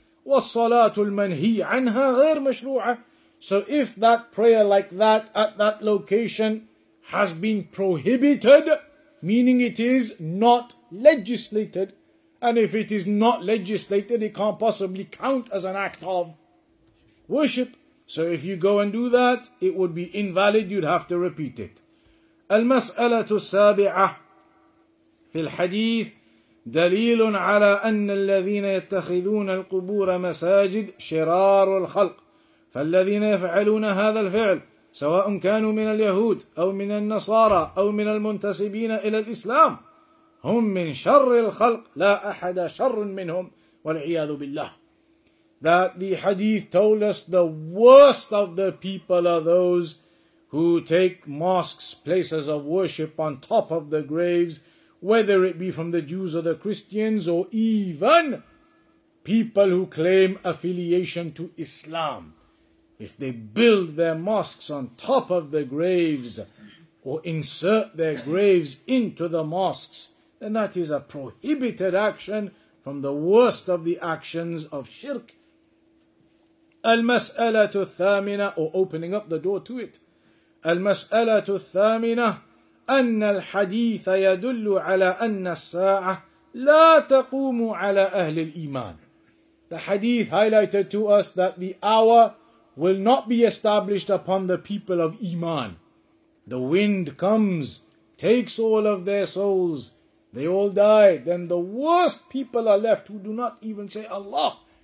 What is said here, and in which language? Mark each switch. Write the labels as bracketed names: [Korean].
[Arabic] وَالصَّلَاةُ الْمَنْهِي عَنْهَا غَيْرْ مَشْرُوعَ [English] So if that prayer like that, at that location, has been prohibited, meaning it is not legislated, and if it is not legislated, it can't possibly count as an act of worship. So if you go and do that, it would be invalid, you'd have to repeat it. [Arabic] المسألة السابعة في الحديث دليل على أن الذين يتخذون القبور مساجد شرار الخلق فالذين يفعلون هذا الفعل سواء كانوا من اليهود أو من النصارى أو من المنتسبين إلى الإسلام هم من شر الخلق لا أحد شر منهم والعياذ بالله [English] That the hadith told us the worst of the people are those who take mosques, places of worship on top of the graves, whether it be from the Jews or the Christians or even people who claim affiliation to Islam. If they build their mosques on top of the graves or insert their graves into the mosques, then that is a prohibited action from the worst of the actions of shirk. [Arabic] المسألة الثامنة [English] or opening up the door to it. [Arabic] المسألة الثامنة أن الحديث يدل على أن الساعة لا تقوم على أهل الإيمان. [English] The hadith highlighted to us that the hour will not be established upon the people of Iman. The wind comes, takes all of their souls, they all die, then the worst people are left who do not even say Allah.